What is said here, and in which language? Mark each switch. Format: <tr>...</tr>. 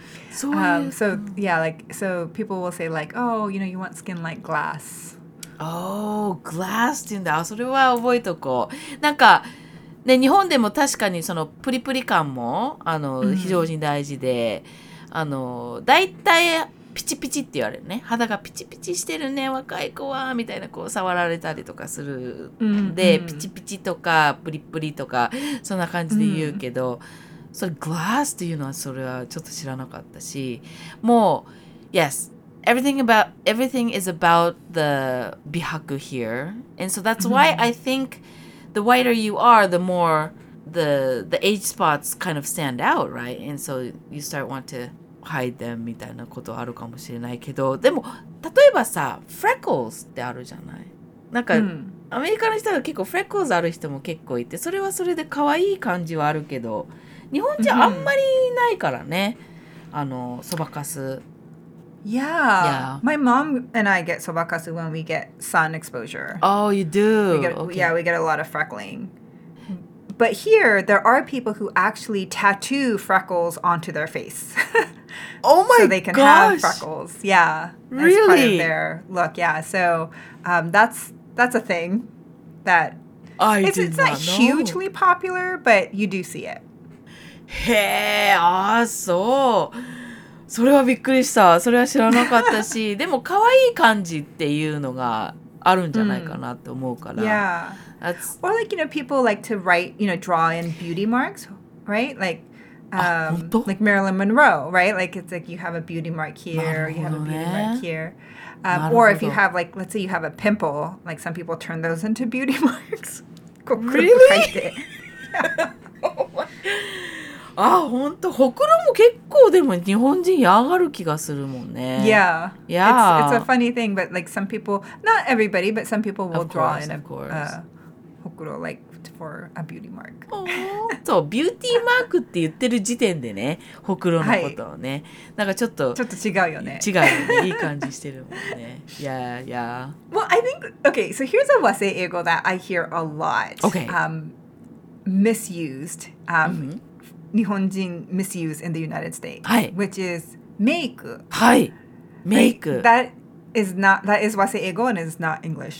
<en>So people will say like, oh, you know, you want skin like glass.</en> <ja>Oh, glass って言うんだ。それは覚えとこう。なんかね、日本でも確かにそのプリプリ感もあの、mm-hmm. 非常に大事で。あのだいたいピチピチって言われるね肌がピチピチしてるね若い子はみたいなこう触られたりとかする、うんうん、でピチピチとかプリプリとかそんな感じで言うけど、うん、それグラスっていうのはそれはちょっと知らなかったしもう</ja> <en>Yes everything is about the 美白 here and so that's why、</en> <ja>うん、</ja> <en>I think the whiter you are the moreThe age spots kind of stand out, right? And so you start want to hide them,</en> <ja>みたいなことあるかもしれないけど、でも例えばさ、freckles ってあるじゃない？なんか、アメリカの人は結構 freckles ある人も結構いて、それはそれで可愛い感じはあるけど、日本じゃあんまりないからね、あの、そばかす。</ja> <en>Yeah. My mom and I get そばかす when we get sun exposure. Oh, you do. We get a lot of freckling. But here, there are people who actually tattoo freckles onto their face. Oh my gosh! So they can have freckles. Yeah. Really? That's part of their look, yeah. So that's a thing that... It's not hugely popular, but you do see it.</en> <ja>Hey, ah, so. それはびっくりした。それは知らなかったし、でも可愛い感じっていうのがあるんじゃないかなって思うから。</ja> <en>Yeah. That's... Or like, you know, people like to write, you know, draw in beauty marks, right? Like, like Marilyn Monroe, right? Like, it's like you have a beauty mark here, you have a beauty mark here. Or if you have like, let's say you have a pimple, like some people turn those into beauty marks. Really?</en> <ja>ああ、本当。ほくろも結構でも日本人嫌がる気がするもんね。</ja> <en>Yeah. Yeah. It's a funny thing, but like some people, not everybody, but some people will draw in ほくろ like for a beauty mark.</en> <ja>そう、ビューティーマークって言ってる時点でね、ほくろのことをね。なんかちょっと違うよね。違うよね。いい感じしてるもんね。</ja> <en>Yeah, yeah. Well, I think, okay, so here's a wase eigo that I hear a lot. Okay. Misused. Nihonjin misuse in the United States, which is make. Hi, make. Like, that is not that is wase eigo and is not English.</en>